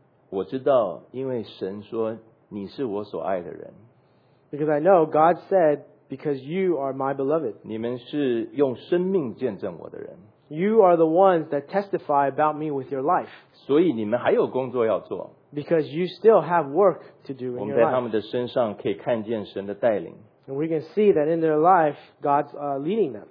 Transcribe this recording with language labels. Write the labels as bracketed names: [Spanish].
[Chinese] 我知道，因为神说你是我所爱的人。 [English] Because I know God said, because you are my beloved. [Chinese] 你们是用生命见证我的人。 [English] You are the ones that testify about me with your life. [Chinese] 所以你们还有工作要做。 [English] Because you still have work to do in your life. [Chinese] 我们在他们的身上可以看见神的带领。 [English] And we can see that in their life, God's leading them.